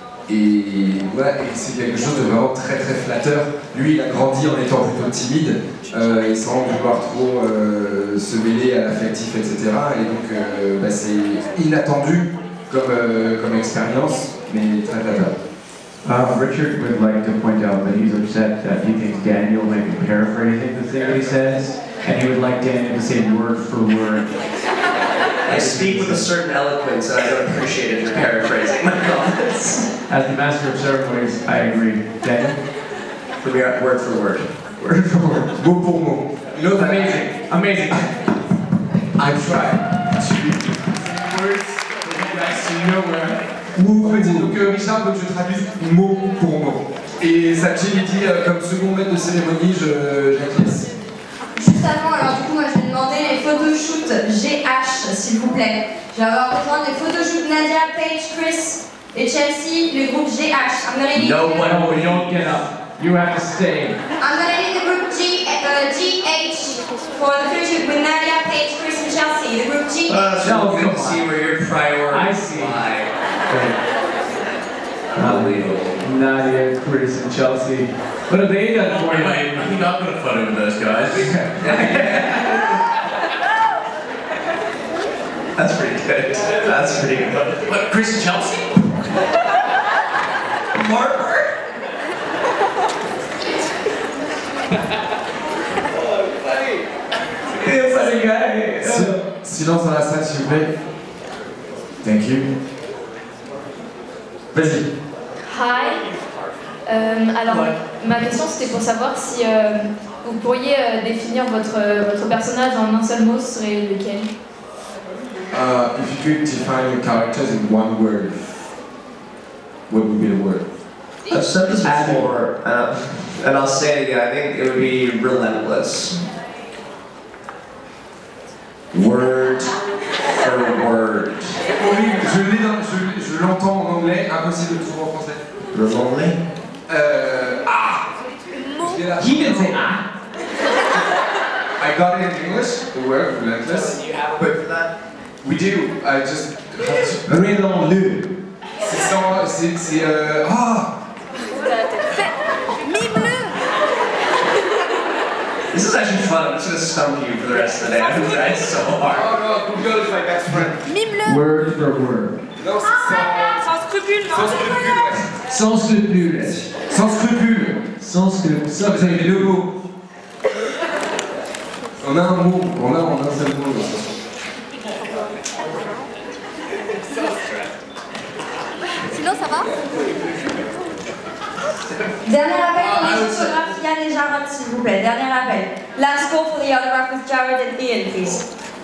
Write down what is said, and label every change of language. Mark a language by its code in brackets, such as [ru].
[fr] Et c'est quelque chose de vraiment très très flatteur. Lui, il a grandi en étant plutôt timide et sans vouloir trop se mêler à l'affectif, etc. Et donc c'est inattendu comme expérience, mais très flatteur. [en] Richard would like to point out that he's upset that he thinks Daniel might be paraphrasing the thing he says, and he would like Daniel to say word for word. I speak with a certain eloquence, and I don't appreciate it for paraphrasing my comments. As the master of ceremonies, I agree. Daniel? For me, word for word. Word for word. [fr] Mot pour mot. [en] No, amazing. Amazing. I try to words for you guys to know where. [fr] Où on dit donc Richard veut que je traduise mot pour mot. Et Sachin dit comme second maître de cérémonie, j'acquiesce. Juste avant, alors du coup, moi je vais demander les photoshoots GH, s'il vous plaît. Je vais avoir besoin des photoshoots Nadia, Paige, Chris et Chelsea, le groupe GH. [en] I'm gonna need no, the... no, you don't get up. You have to stay. I'm gonna need the group GH for the photoshoot with Nadia, Paige, Chris and Chelsea, the group GH. So we can see where your priorities lie. Nadia, Chris, and Chelsea. What have they done for you? I'm not going to fight over those guys. That's pretty good. That's pretty good. What, Chris and Chelsea? Marper? Oh, funny. Funny guy. [fr] Silence dans la salle, s'il vous plaît. [en] Thank you. [fr] Vas-y. [en] Hi. [fr] Ma question c'était pour savoir si vous pourriez définir votre personnage en un seul mot, ce serait lequel? [en] If you could define your characters in one word, what would be the word? I've said this before, and I'll say it again, I think it would be relentless. Word for word. [fr] Oui, je l'entends en anglais, impossible de le trouver en français. [en] Relentless. Ah! He didn't say ah! I got it in English, the word relentless. But for that? We do, I just have to... Relentless. [fr] C'est sans... C'est ah! [en] This is actually fun, I'm just gonna stump you for the rest of the day. I'm trying so hard. Oh no, Google is my best friend. [fr] Mime le. [en] Word for word. [fr] No, sans scrupule, non? Sans scrupule. Sans scrupule. Sans scrupule. Sans scrupule. Vous avez deux mots. On a un mot. On a un seul mot. Sans sinon, ça va? Dernier appel pour les photographes, Yann et Jarod, s'il vous plaît. Dernier appel. [en] Last call for the autograph with Jarod and Ian, please.